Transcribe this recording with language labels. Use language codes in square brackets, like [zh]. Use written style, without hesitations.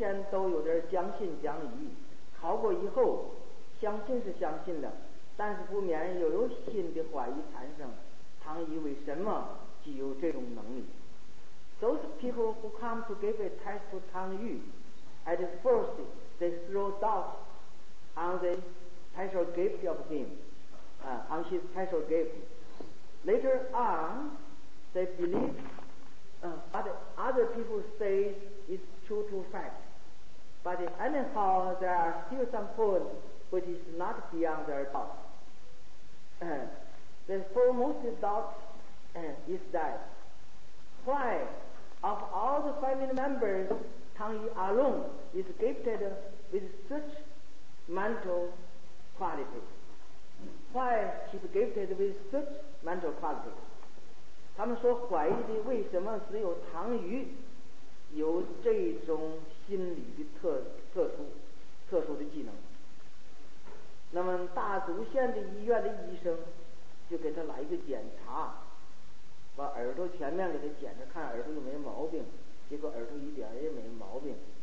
[zh] 都有点将信将疑，考过以后相信是相信的，但是不免又有新的怀疑产生，唐仪为什么具有这种能力。 [en] Those people who come to give a test to Tang Yu, at first they throw doubt on the special gift of him, on his special gift. Later on they believe what other people say is true to fact. But anyhow, there are still some points which is not beyond their doubt. The foremost doubt is that why, of all the family members, Tang Yu alone is gifted with such mental quality? Why she is gifted with such mental quality? [zh] 他们说怀疑的为什么只有唐瑜有这种心理的特殊的技能。那么大足县的医院的医生就给他来一个检查，把耳朵前面给他检查，看耳朵有没有毛病，结果耳朵一点也没毛病。